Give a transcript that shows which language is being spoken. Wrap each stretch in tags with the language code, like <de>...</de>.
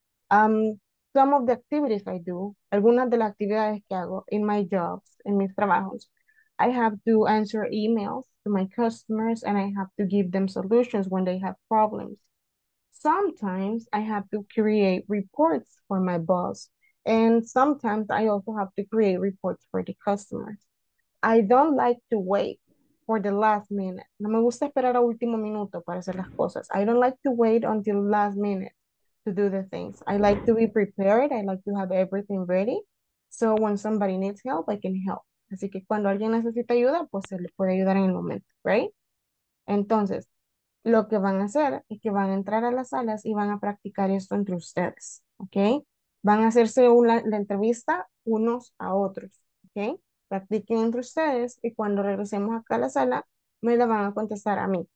<en>Some of the activities I do,</en> <es>algunas de las actividades que hago</es> <en>in my jobs, in</en> <es>mis trabajos,</es> <en>I have to answer emails to my customers and I have to give them solutions when they have problems. Sometimes I have to create reports for my boss. And sometimes I also have to create reports for the customers. I don't like to wait for the last minute.</en> <es>No me gusta esperar a último minuto para hacer las cosas.</es> <en>I don't like to wait until last minute to do the things. I like to be prepared. I like to have everything ready. So when somebody needs help, I can help.</en> <es>Así que cuando alguien necesita ayuda, pues se le puede ayudar en el momento, right? Entonces, lo que van a hacer es que van a entrar a las salas y van a practicar esto entre ustedes, okay? Van a hacerse la entrevista unos a otros, okay? Practiquen entre ustedes y cuando regresemos acá a la sala, me la van a contestar a mí.</es>